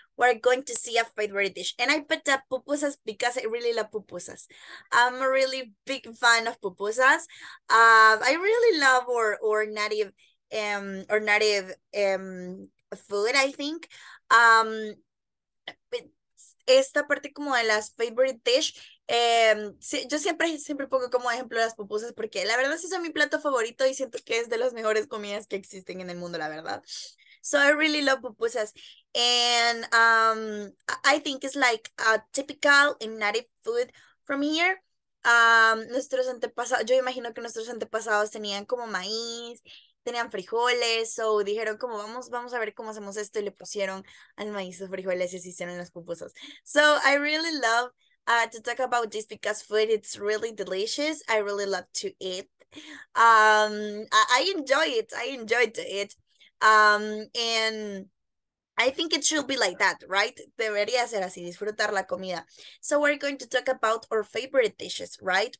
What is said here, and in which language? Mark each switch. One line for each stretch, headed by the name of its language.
English: We're going to see a favorite dish. And I put the pupusas because I really love pupusas. I'm a really big fan of pupusas. I really love our native food, I think.
Spanish: Esta parte como de las favorite dish, sí, yo siempre pongo como ejemplo las pupusas porque la verdad sí es mi plato favorito y siento que es de las mejores comidas que existen en el mundo, la verdad.
English: So I really love pupusas and I think it's like a typical and native food from here.
Spanish: Nuestros antepasados, yo imagino que nuestros antepasados tenían como maíz, tenían frijoles o dijeron como vamos a ver cómo hacemos esto y le pusieron al maíz los frijoles y así hicieron las pupusas.
English: So I really love to talk about this because food it's really delicious. I really love to eat. I enjoy it. I enjoy to eat. And I think it should be like that, right?
Spanish: Debería ser así, disfrutar la comida.
English: So we're going to talk about our favorite dishes, right?